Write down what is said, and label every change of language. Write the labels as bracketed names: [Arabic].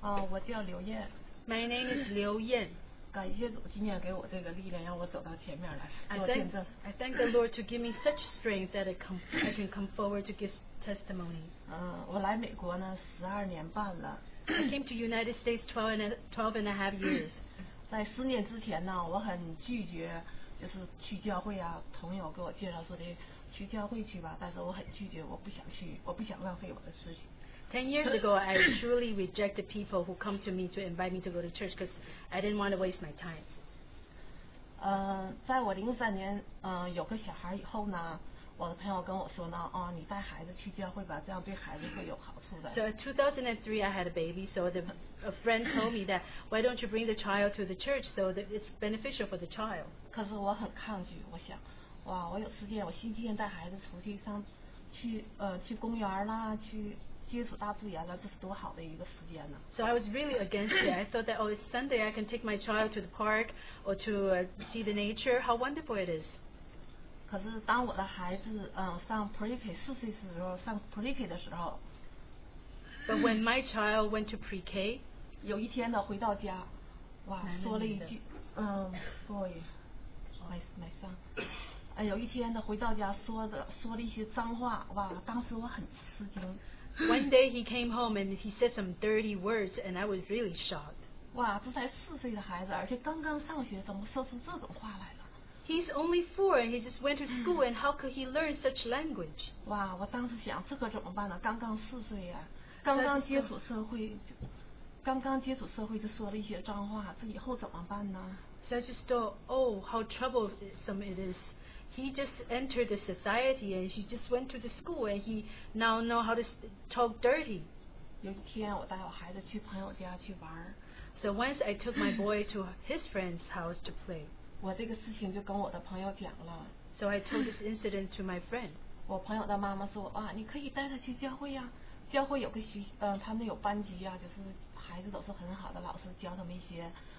[Chinese] 我叫刘燕。 [English] My name is 刘燕。 [Chinese] 感谢主今天给我这个力量，让我走到前面来做见证。 [English] I thank the Lord to give me such strength that I can come forward to give testimony. [Chinese] 我来美国呢12年半了。 [English] I came to United States 12 and a half years. [Chinese] 在四年之前呢，我很拒绝，就是去教会啊。朋友给我介绍说的，去教会去吧，但是我很拒绝，我不想去，我不想浪费我的时间。 [English] 10 years ago, I truly rejected people who come to me to invite me to go to church because I didn't want to waste my time. [Chinese] 在我03年，有个小孩以后呢，我的朋友跟我说呢，哦，你带孩子去教会吧，这样对孩子会有好处的。 [English] So in 2003, I had a baby. So a friend told me that why don't you bring the child to the church so that it's beneficial for the child. [Chinese] 可是我很抗拒，我想，哇，我有时间，我星期天带孩子出去上，去公园啦，去。接触大自然了，这是多好的一个时间呢。 [English] So I was really against it. I thought that, oh, it's Sunday, I can take my child to the park or to see the nature. How wonderful it is. [Chinese] 可是当我的孩子上 pre-K 四岁的时候，上 pre-K 的时候 [English] ，But when my child went to pre-K, [Chinese] 有一天呢，回到家，哇，说了一句， [English] boy, my son. [Chinese] 有一天呢，回到家说了一些脏话，哇，当时我很吃惊。 [English] One day he came home and he said some dirty words and I was really shocked. [Chinese] 哇，这才四岁的孩子，而且刚刚上学，怎么说出这种话来了？ [English] He's only 4 and he just went to school and how could he learn such language? [Chinese] 哇，我当时想这可怎么办呢？刚刚四岁呀，刚刚接触社会，刚刚接触社会就说了一些脏话，这以后怎么办呢？ [English] So I just thought, oh, how troublesome it is. He just entered the society and he just went to the school and he now know how to talk dirty. [Chinese] 有一天我带我孩子去朋友家去玩。 [English] So once I took my boy to his friend's house to play. [Chinese] 我这个事情就跟我的朋友讲了。 [English] So I told this incident to my friend. [Chinese] 我朋友的妈妈说，哇，你可以带他去教会呀，教会有个学，他们有班级呀，就是孩子都是很好的，老师教他们一些。